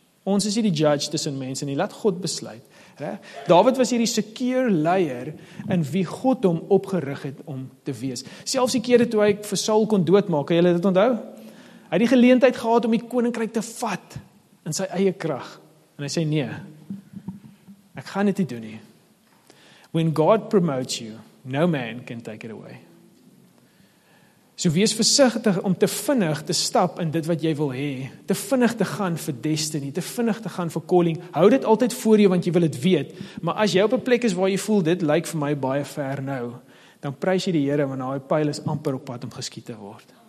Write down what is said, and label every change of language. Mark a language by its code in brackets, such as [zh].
[af] Ons is hierdie judge tussen mense en hy laat God besluit. Dawid was hierdie secure leier in wie God hom opgerig het om te wees. Selfs die kere toe hy vir Saul kon doodmaak, jy dit onthou? Hy het die geleentheid gehad om die koninkryk te vat in sy eie krag. En hy sê nee, ek gaan dit nie doen nie. [en] When God promotes you, no man can take it away. [af] So wees versigtig om te vinnig te stap in dit wat jy wil hê. Te vinnig te gaan vir destiny, te vinnig te gaan vir calling. Hou dit altyd voor jou, want jy wil het weet. Maar as jy op 'n plek is waar jy voel, dit lyk vir my baie ver nou, dan prys jy die Here, want daai pijl is amper op pad om geskiet te word.